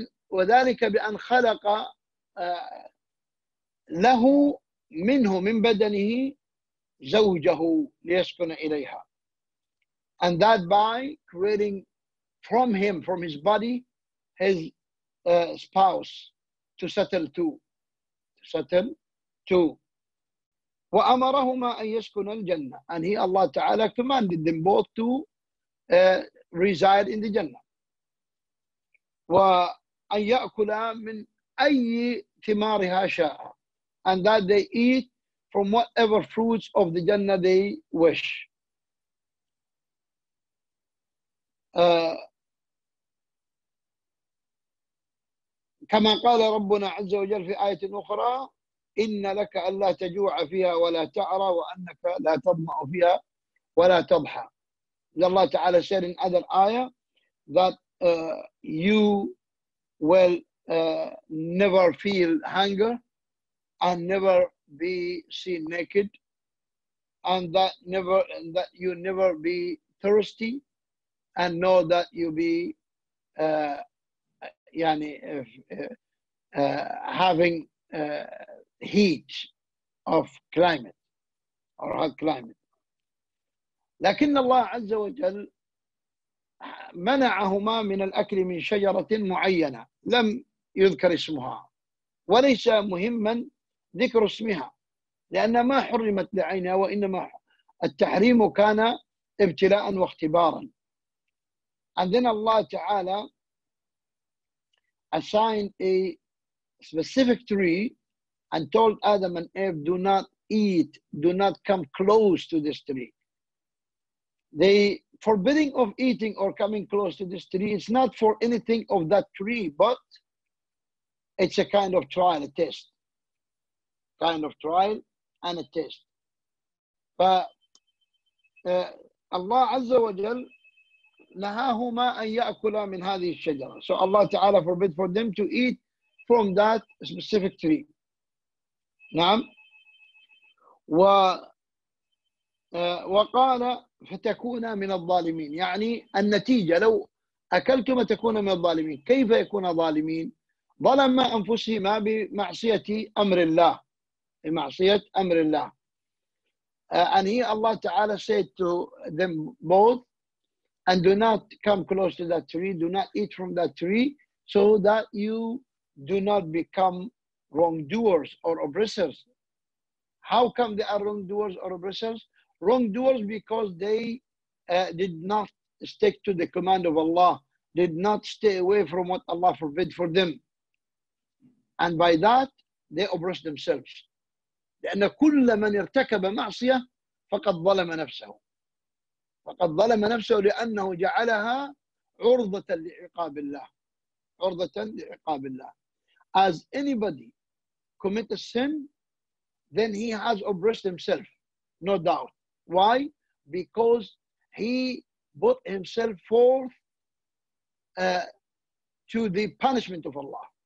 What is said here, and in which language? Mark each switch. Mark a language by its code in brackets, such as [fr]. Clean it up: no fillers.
[ar] وذلك بأن خلق له منه من بدنه زوجه ليسكن إليها. [en] And that by creating from him, from his body, his spouse to settle to. [ar] وأمرهما أن يسكن الجنة. [en] And he, Allah Ta'ala, commanded them both to reside in the Jannah. [ar] وأن يأكلا من أي ثمارها شاء. [en] And that they eat from whatever fruits of the Jannah they wish. [ar] كما قال ربنا عز وجل في آية أخرى إن لك ألا تجوع فيها ولا تعرى وأنك لا تضمأ فيها ولا تضحى. [en] الله تعالى said in other ayah that you will never feel hunger and never be seen naked and that never that you never be thirsty, and know that you be yani having heat of climate or hot climate. [ar] لكن الله عز وجل منعهما من الأكل من شجرة معينة لم يذكر اسمها، وليس مهما ذكر اسمها لأن ما حرمت لعينها، وإنما التحريم كان ابتلاء واختبارا. عندنا [en] الله تعالى assigned a specific tree and told Adam and Eve, do not eat, do not come close to this tree. The forbidding of eating or coming close to this tree is not for anything of that tree, but it's a kind of trial, a test. Kind of trial and a test. But Allah Azza wa Jal [ar] nahahuma an ya'kula min hadhihi ash-shajara. [en] So Allah Ta'ala forbid for them to eat from that specific tree. [ar] Naam. Wa وَقَالَ فَتَكُونَ مِنَ الظَّالِمِينَ، يعني النتيجة لو أكلتم تكون من الظالمين. كيف يكون ظالمين؟ ظلم أنفسهما بمعصية أمر الله، بمعصية أمر الله. [en] And here Allah Ta'ala said to them both, and do not come close to that tree, do not eat from that tree, so that you do not become wrongdoers or oppressors. How come they are wrongdoers or oppressors? Wrongdoers because they did not stick to the command of Allah, did not stay away from what Allah forbid for them. And by that, they oppress themselves. [ar] لأنه كل من ارتكب معصية فقد ظلم نفسه. فقد ظلم نفسه لأنه جعلها عرضة لعقاب الله. عرضة لعقاب الله. [en] As anybody commit a sin, then he has oppressed himself, no doubt. Why? Because he put himself forth to the punishment of Allah.